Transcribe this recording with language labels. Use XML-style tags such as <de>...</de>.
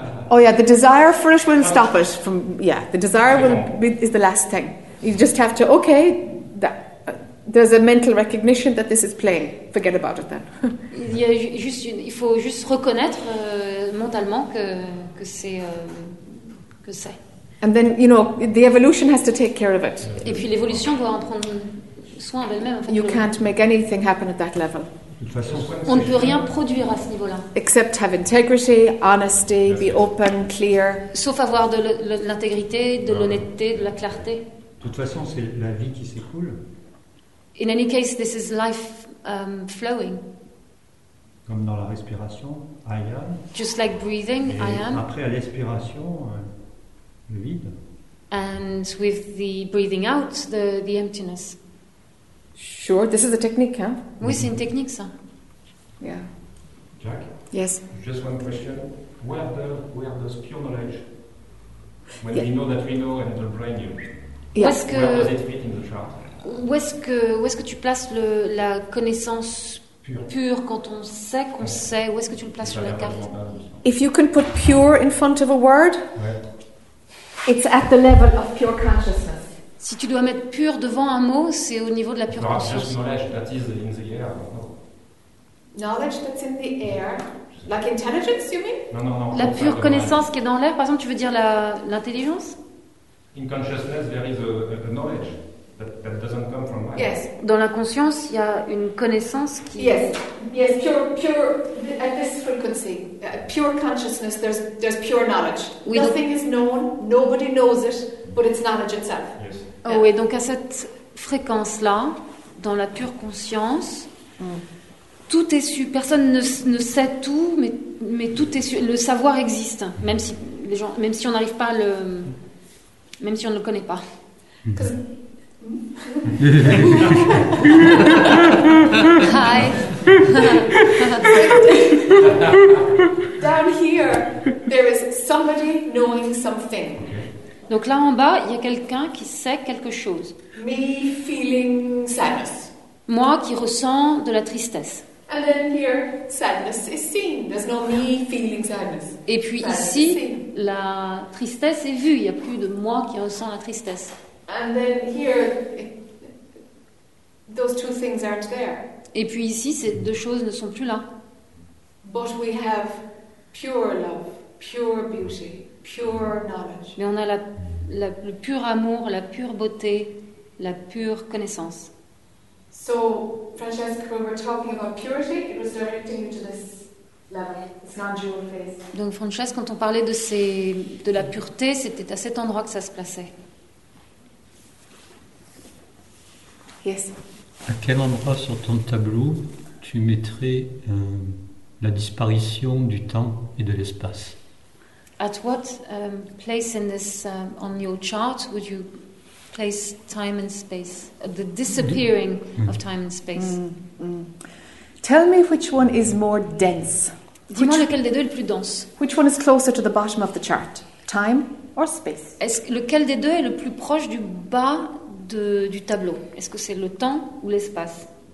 <en>Oh yeah, the desire for it will stop it from. Yeah, the desire will be is the last thing. You just have to okay. That, there's a mental recognition that this is playing. Forget about it then.</en> <fr>Il y a juste il faut juste reconnaître mentalement que c'est que c'est.</fr> <en>And then you know the evolution has to take care of it.</en> <fr>Et puis l'évolution doit en prendre. Soin d'elle-même, en fait,</fr> <en>you can't make anything happen at that level.</en> <fr>On ne peut rien produire à ce niveau-là.</fr> <en>Except have integrity, honesty, be open, clear. Sauf avoir de l'intégrité, de l'honnêteté, de la clarté.</en> <fr>De toute façon, c'est la vie qui s'écoule.</fr> <en>In any case, this is life flowing.</en> <fr>Comme dans la respiration,</fr> <en>I am. Just like breathing,</en> <fr>et</fr> <en>I am.</en> <fr>Après, à l'expiration, le vide.</fr> <en>And with the breathing out, the emptiness. Sure, this is a technique, huh?</en> <fr>Oui, c'est une technique, ça. Yeah. Jack?</fr> <en>Yes? Just one question. Where does pure knowledge, when we know that we know and the brain you, where does it fit in the chart?</en> <fr>Où est-ce que tu places la connaissance pure quand on sait qu'on sait? Où est-ce que tu le places sur la carte?</fr> <en>If you can put pure in front of a word, it's at the level of pure consciousness.</en> <fr>Si tu dois mettre pur devant un mot, c'est au niveau de la pure conscience.</fr> <en>Knowledge that is in the air. No. Knowledge that's in the air. Like intelligence, you mean? No.</en> <fr>La pure connaissance qui est dans l'air, par exemple, tu veux dire l'intelligence?</fr> <en>In consciousness, there is a knowledge that doesn't come from mind. Yes.</en> <fr>Dans la conscience, il y a une connaissance qui.</fr> <en>Yes, pure, at this frequency. Pure consciousness, there's pure knowledge.</en> <fr>Oui,</fr> <en>nothing is known, nobody knows it, but it's knowledge itself.</en> <fr>Oh oui, donc à cette fréquence-là, dans la pure conscience, tout est su. Personne ne sait tout, mais tout est su. Le savoir existe, même si on n'arrive pas à même si on ne le connaît pas. Hi.</fr> <en>Down here, there is somebody knowing something.</en> <fr>Donc là en bas, il y a quelqu'un qui sait quelque chose.</fr> <en>Me feeling sadness.</en> <fr>Moi qui ressens de la tristesse.</fr> <en>And then here, sadness is seen. There's no me feeling sadness.</en> <fr>Et puis ici, la tristesse est vue. Il n'y a plus de moi qui ressent la tristesse.</fr> <en>And then here, those two things aren't there.</en> <fr>Et puis ici, ces deux choses ne sont plus là.</fr> <en>But we have pure love, pure beauty, pure knowledge.</en> <fr>Mais on a le pur amour, la pure beauté, la pure connaissance.</fr> <en>So, Francesca, when we're talking about purity, it was directing you to this level, this non-dual phase.</en> <fr>Donc, Francesca, quand on parlait de la pureté, c'était à cet endroit que ça se plaçait.</fr> <en>Yes.</en> <fr>À quel endroit sur ton tableau tu mettrais la disparition du temps et de l'espace?</fr> <en>At what place in this on your chart would you place time and space, the disappearing of time and space? Tell me which one is more dense.</en> <fr>Dis-moi lequel des deux est le plus dense.</fr> <en>Which one is closer to the bottom of the chart, time or space?</en> <fr>Lequel des deux est le plus proche du bas du tableau? Est-ce que c'est le temps ou l'espace?</fr>